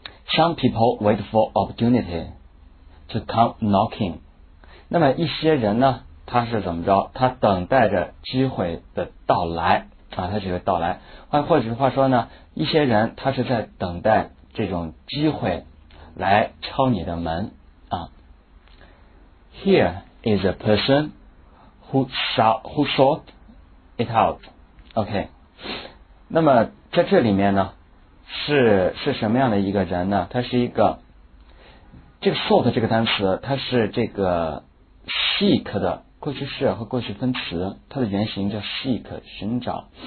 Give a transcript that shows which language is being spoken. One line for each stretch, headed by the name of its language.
English: Some people wait for opportunity to come knocking。
Chinese: 那么一些人呢，他是怎么着？他等待着机会的到来啊，他只会到来。或者话说呢，一些人他是在等待这种机会来敲你的门啊。
English: Here is a person who thought it out。
Chinese: OK， 那么在这里面呢，是什么样的一个人呢？他是一个，这个 thought 这个单词，它是这个 seek 的过去式和过去分词，它的原型叫 seek， 寻找。